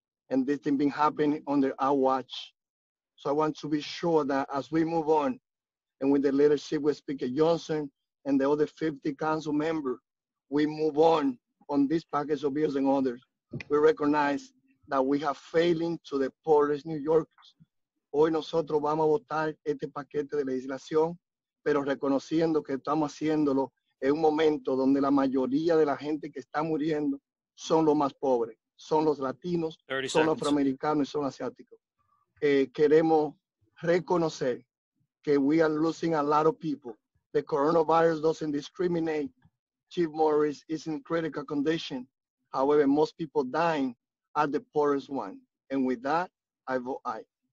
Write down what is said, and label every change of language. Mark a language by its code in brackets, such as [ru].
[en] And this thing been happening under our watch. So I want to be sure that as we move on, and with the leadership with Speaker Johnson and the other 50 council members, we move on this package of bills and others. We recognize that we have failing to the poorest New Yorkers. [es] Hoy nosotros vamos a votar este paquete de legislación, pero reconociendo que estamos haciéndolo en un momento donde la mayoría de la gente que está muriendo son los más pobres. Son los latinos, son los afroamericanos y son asiáticos. Queremos reconocer que [en] we are losing a lot of people. The coronavirus doesn't discriminate. Chief Morris is in critical condition. However, most people dying are the poorest one. And with that, I vote aye.